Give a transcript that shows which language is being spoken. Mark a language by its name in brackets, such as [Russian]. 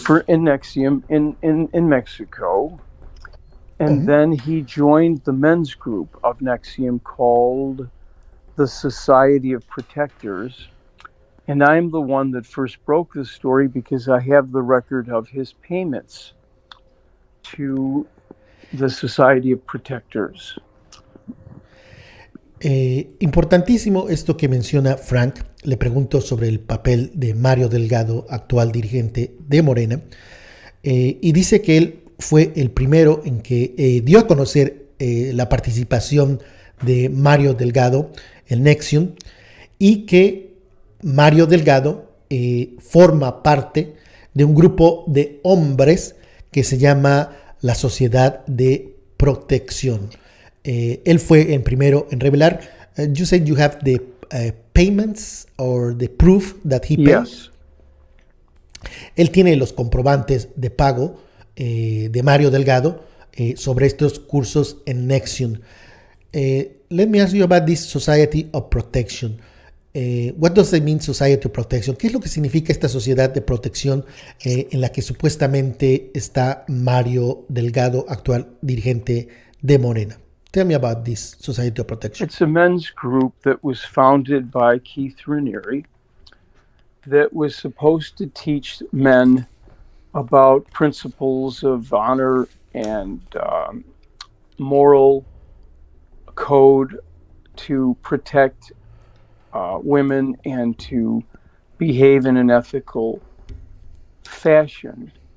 [English] for in NXIVM in Mexico, and then he joined the men's group of NXIVM called the Society of Protectors. And I'm the one that first broke the story because I have the record of his payments to the Society of Protectors. [Spanish] Importantísimo esto que menciona Frank. Le pregunto sobre el papel de Mario Delgado, actual dirigente de Morena, y dice que él fue el primero en que dio a conocer la participación de Mario Delgado en Nexium y que Mario Delgado forma parte de un grupo de hombres que se llama la Sociedad de Protección. Él fue el primero en revelar. [English] You said you have the payments or the proof that he paid. Yes. [Spanish] Él tiene los comprobantes de pago de Mario Delgado sobre estos cursos en Nexium. [English] Let me ask you about this Society of Protection. What does it mean Society of Protection? [Spanish] ¿Qué es lo que significa esta sociedad de protección en la que supuestamente está Mario Delgado, actual dirigente de Morena? [English] Tell me about this Society of Protection. It's a men's group that was founded by Keith Raniere that was supposed to teach men about principles of honor and moral code to protect women and to behave in an ethical fashion.